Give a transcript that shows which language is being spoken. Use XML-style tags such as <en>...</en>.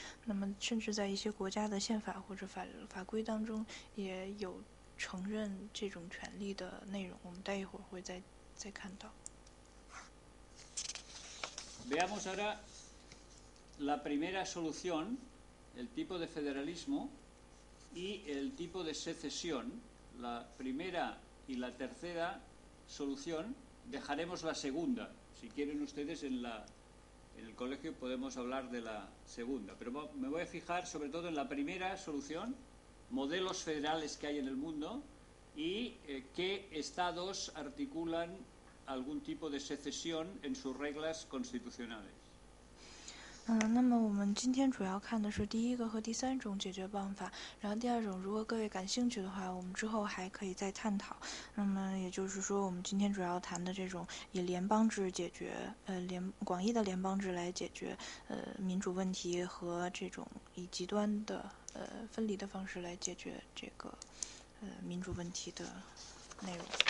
<zh>那么，甚至在一些国家的宪法或者法规当中，也有承认这种权利的内容。我们待一会儿会再看到。</zh> <es>Veamos ahora la primera solución, el tipo de federalismo y el tipo de secesión. La primera y la tercera solución, dejaremos la segunda. Si quieren ustedes en el colegio podemos hablar de la segunda. Pero me voy a fijar sobre todo en la primera solución, modelos federales que hay en el mundo y qué estados articulan algún tipo de secesión en sus reglas constitucionales.</es> <zh>那么我们今天主要看的是第一个和第三种解决办法，然后第二种，如果各位感兴趣的话，我们之后还可以再探讨。那么也就是说，我们今天主要谈的这种以联邦制解决，广义的联邦制来解决，民主问题和这种以极端的分离的方式来解决这个民主问题的内容。</zh>